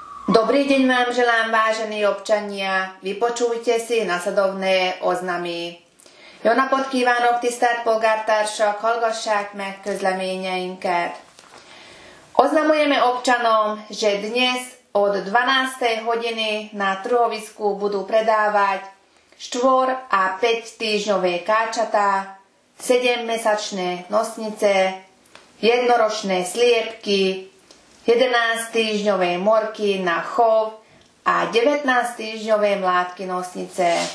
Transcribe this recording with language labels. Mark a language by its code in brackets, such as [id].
[sk] Dobrý deň vám želám, vážení občania. Vypočujte si nasledovné oznamy. [hu] Jó napot kívánok, tisztelt polgártársak, hallgassák meg közleményeinket. [sk] Oznamujeme občanom, že dnes od 12. hodiny na trhovisku budú predávať 4 a 5 týždňové káčatá, 7-mesačné nosnice, jednoročné sliepky, 11-týždňové morky na chov a 19-týždňové mládky nosnice.